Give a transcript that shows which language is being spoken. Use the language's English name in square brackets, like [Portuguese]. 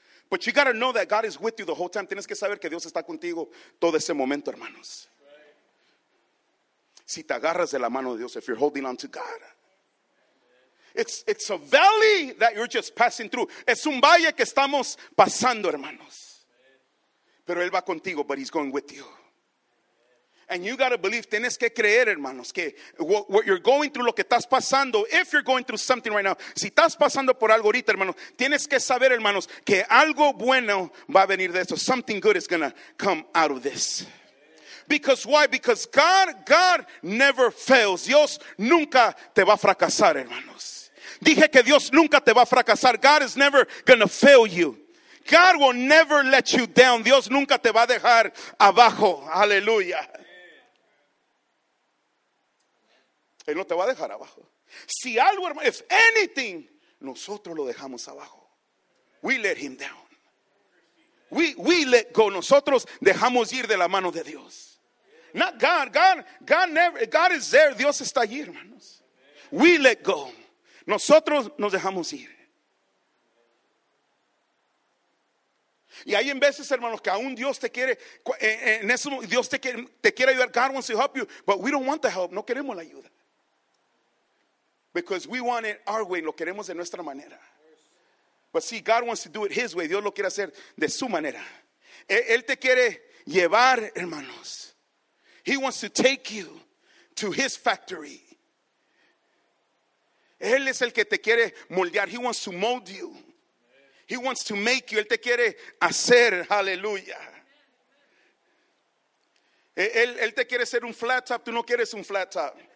[English] But you got to know that God is with you the whole time. [Spanish] Tienes que saber que Dios está contigo todo ese momento, hermanos. Si te agarras de la mano de Dios, [English] if you're holding on to God. It's a valley that you're just passing through. [Spanish] Es un valle que estamos pasando, hermanos. Pero Él va contigo, [English] but He's going with you. And you got to believe, [Spanish] tienes que creer, hermanos, que [English] what you're going through, [Spanish] lo que estás pasando, [English] if you're going through something right now, [Spanish] si estás pasando por algo ahorita, hermano, tienes que saber, hermanos, que algo bueno va a venir de esto. [English] Something good is going to come out of this. Because why? Because God never fails. [Spanish] Dios nunca te va a fracasar, hermanos. Dije que Dios nunca te va a fracasar. [English] God is never going to fail you. God will never let you down. [Spanish] Dios nunca te va a dejar abajo. Aleluya. Él no te va a dejar abajo. Si algo, hermano, [English] if anything, [Spanish] nosotros lo dejamos abajo. [English] We let him down. We let go. [Spanish] Nosotros dejamos ir de la mano de Dios. [English] Not God. God never. God is there. [Spanish] Dios está allí, hermanos. [English] We let go. [Spanish] Nosotros nos dejamos ir. Y hay en veces, hermanos, que aún Dios te quiere, en eso Dios te quiere ayudar. [English] God wants to help you, but we don't want the help. [Spanish] No queremos la ayuda. [English] Because we want it our way. [Spanish] Lo queremos de nuestra manera. [English] But see, God wants to do it His way. [Spanish] Dios lo quiere hacer de su manera. Él te quiere llevar, hermanos. [English] He wants to take you to His factory. [Spanish] Él es el que te quiere moldear. [English] He wants to mold you. He wants to make you. [Spanish] Él te quiere hacer. Aleluya. Él te quiere ser un flat top. Tú no quieres un flat top.